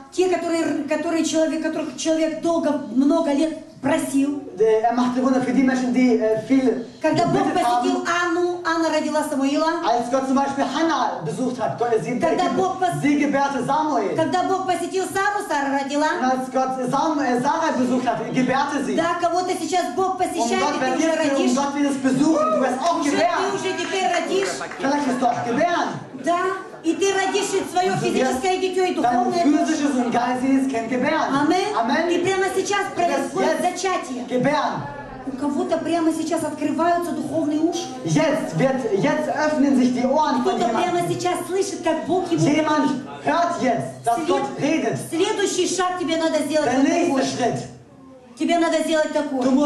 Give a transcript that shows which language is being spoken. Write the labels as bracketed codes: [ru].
[ru] Те, которые человек, которых человек долго, много лет просил. [de] Er machte Wunder für die Menschen, die viel [ru] когда Бог посетил Анну, Анна родила Самуила. [de] Als Gott zum Beispiel Hanna besucht hat, sie [ru] когда Бог [de] gebärte Samuel. [ru] Когда Бог посетил Сару, Сара родила. [de] Und als Gott Sara besucht hat, gebärte sie. [ru] Да, кого-то сейчас Бог посещает, и ты уже родишь. [de] Und Gott wird es besuchen, du wirst auch gebären. [ru] Ты уже теперь родишь. [de] Vielleicht wirst du auch gebären. [ru] Да. И ты родишь свое физическое дитё и духовное. Амен. И прямо сейчас происходит зачатие. У кого-то прямо сейчас открываются духовные уши. [de] Jetzt öffnen sich die Ohren. [ru] Кто-то прямо сейчас слышит, как Бог ему говорит. [de] Jemand hört jetzt, dass Gott redet. [ru] Следующий шаг тебе надо сделать. [de] Der nächste Schritt. [ru] Тебе надо сделать такой.